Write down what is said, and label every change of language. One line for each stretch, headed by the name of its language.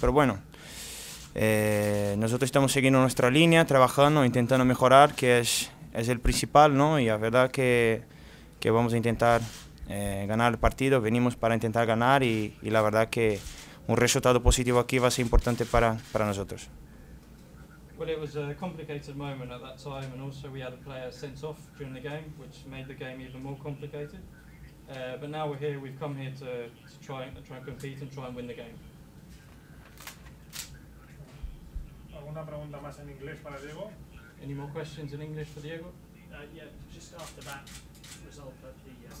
Spanish: Pero bueno, nosotros estamos siguiendo nuestra línea, trabajando, intentando mejorar, que es el principal, ¿no? Y la verdad que vamos a intentar ganar el partido, venimos para intentar ganar y la verdad que un resultado positivo aquí va a ser importante para nosotros.
English: Well, it was a complicated moment at that time and also we had a player sent off during the game, which made the game even more complicated. But now we're here, we've come here to try and compete and try and win the game.
Spanish: ¿Alguna pregunta más en inglés para Diego?
English: Any more questions in English for Diego? Yeah, just after that result at the